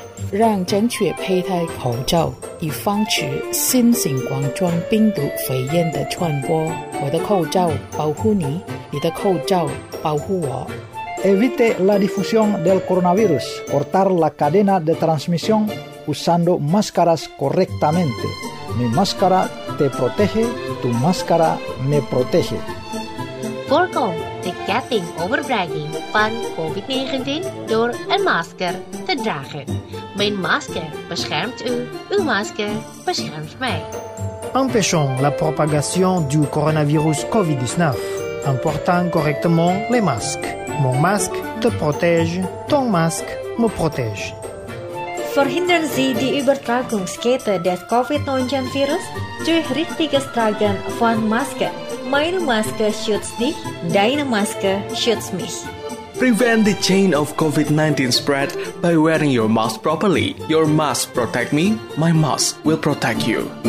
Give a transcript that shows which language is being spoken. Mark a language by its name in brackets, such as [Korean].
[Chinese] 让正确佩戴口罩以防止新型冠状病毒肺炎的传播。我的口罩保护你，你的口罩保护我。 [Spanish] Evite la difusión del coronavirus. Cortar la cadena de transmisión usando máscaras correctamente. Mi máscara te protege, tu máscara me protege. [Dutch] Voorkom de ketting overbrenging van COVID-19 door een masker te dragen. Mijn masker beschermt u, uw masker beschermt mij. [French] Empêchons la propagation du coronavirus COVID-19 en portant correctement les masques. Mon masque te protège, ton masque me protège. [German] Verhinderen Sie die Übertragungskette des COVID-19 Virus durch richtiges Tragen von Masken. Meine Maske schützt dich, deine Maske schützt mich. [English] Prevent the chain of COVID-19 spread by wearing your mask properly. Your mask protect me, my mask will protect you.